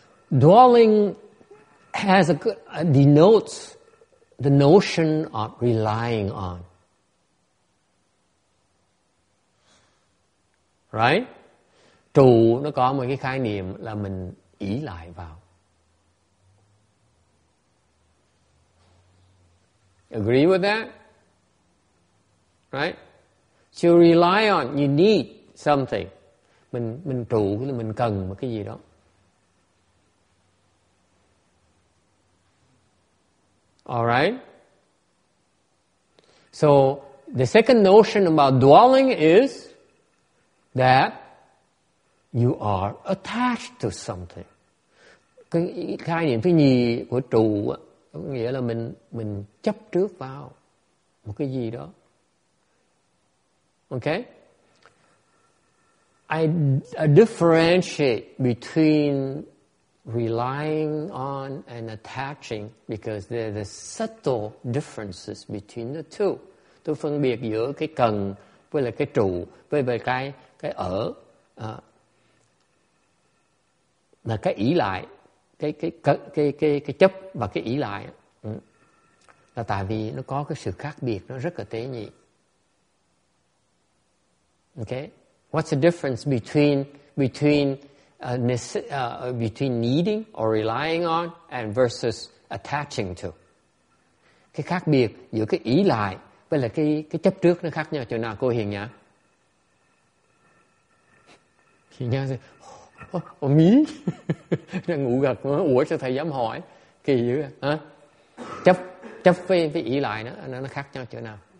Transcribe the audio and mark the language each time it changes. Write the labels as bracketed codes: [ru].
[en] Dwelling has denotes the notion of relying on. Right? [vi] Trụ nó có một cái khái niệm là mình ỷ lại vào. [en] Agree with that? Right? To rely on, you need something. [vi] Mình trụ cái là mình cần một cái gì đó. [en] Alright? So, the second notion about dwelling is that you are attached to something. [vi] Cái khái niệm thứ nhì của trụ có nghĩa là mình chấp trước vào một cái gì đó. [en] Okay? I differentiate between relying on and attaching because there are the subtle differences between the two. [vi] Tôi phân biệt giữa cái cần với là cái trụ với về cái ở là cái ỷ lại, cái chấp và cái ỷ lại là tại vì nó có cái sự khác biệt, nó rất là tế nhị. [en] Okay, what's the difference between needing or relying on and versus attaching to? [vi] Cái khác biệt giữa cái ỷ lại với là cái chấp trước nó khác nhau chỗ nào cô Hiền nhỉ? Hiền nhá gì? Ồ, mí đang ngủ gật nữa. Ủa sao thầy dám hỏi kỳ dữ vậy? Hả? Chấp với ỷ lại nó khác nhau chỗ nào?